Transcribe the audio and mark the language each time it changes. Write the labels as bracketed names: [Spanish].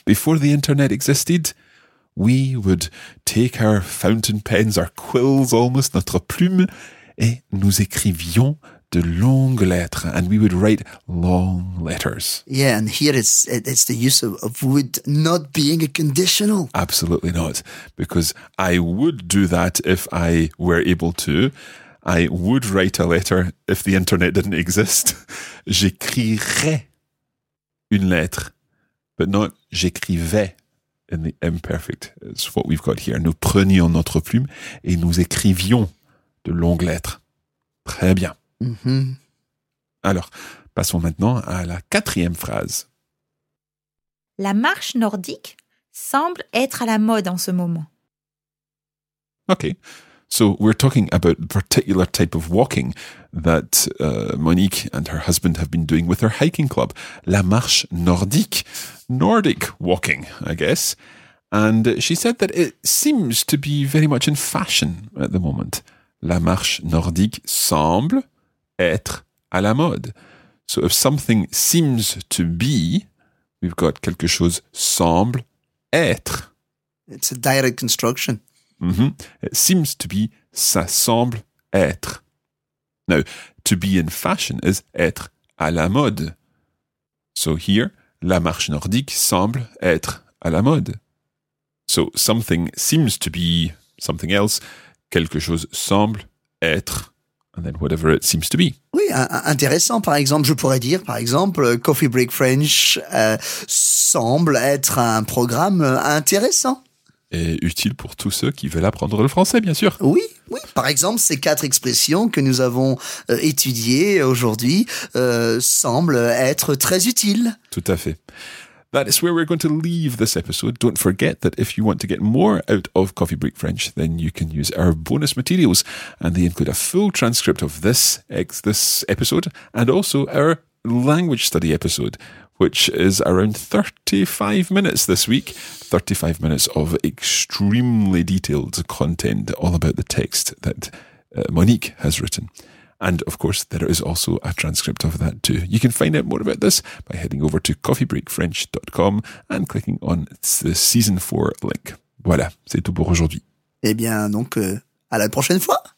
[English] Before the internet existed, we would take our fountain pens, our quills almost, [French] notre plume, et nous écrivions de longues lettres, [English] and we would write long letters. Yeah, and here it's the use of would not being a conditional. Absolutely not, because I would do that if I were able to. I would write a letter if the internet didn't exist. [French] J'écrirais une lettre, [English] but not j'écrivais in the imperfect. It's what we've got here. [French] Nous prenions notre plume et nous écrivions de longues lettres. Très bien. Mm-hmm. Alors, passons maintenant à la quatrième phrase. La marche nordique semble être à la mode en ce moment. [English] Okay, so we're talking about a particular type of walking that Monique and her husband have been doing with her hiking club. [French] La marche nordique, [English] Nordic walking, I guess. And she said that it seems to be very much in fashion at the moment. [French] La marche nordique semble être à la mode. [English] So if something seems to be, we've got [French] quelque chose semble être. [English] It's a direct construction. Mm-hmm. It seems to be, [French] ça semble être. [English] Now, to be in fashion is être à la mode. [French] So here, la marche nordique semble être à la mode. [English] So something seems to be something else. [French] Quelque chose semble être [English] and then whatever it seems to be. [French] Oui, intéressant. Par exemple, je pourrais dire, par exemple, Coffee Break French semble être un programme intéressant. Et utile pour tous ceux qui veulent apprendre le français, bien sûr. Oui, oui. Par exemple, ces quatre expressions que nous avons étudiées aujourd'hui semblent être très utiles. Tout à fait. [English] That is where we're going to leave this episode. Don't forget that if you want to get more out of Coffee Break French, then you can use our bonus materials. And they include a full transcript of this episode and also our language study episode, which is around 35 minutes this week. 35 minutes of extremely detailed content all about the text that Monique has written. And, of course, there is also a transcript of that too. You can find out more about this by heading over to coffeebreakfrench.com and clicking on the Season 4 link. [French] Voilà, c'est tout pour aujourd'hui. Eh bien, donc, à la prochaine fois.